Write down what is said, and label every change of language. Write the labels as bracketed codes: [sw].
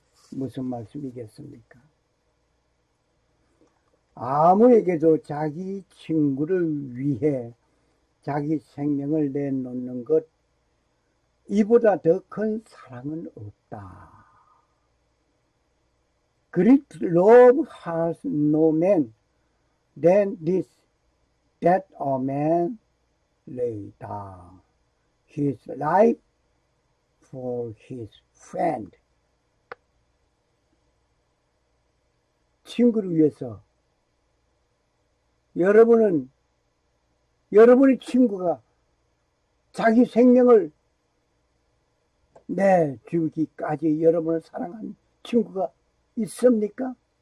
[ko] 무슨 말씀이겠습니까? 아무에게도 자기 친구를 위해 자기 생명을 내놓는 것 이보다 더 큰 사랑은 없다. [en] Great love has no man than this that a man lay down his life for his friend. [ko] 친구를 위해서 여러분은 여러분의 친구가 자기 생명을 내주기까지 여러분을 사랑하는 친구가 있습니까?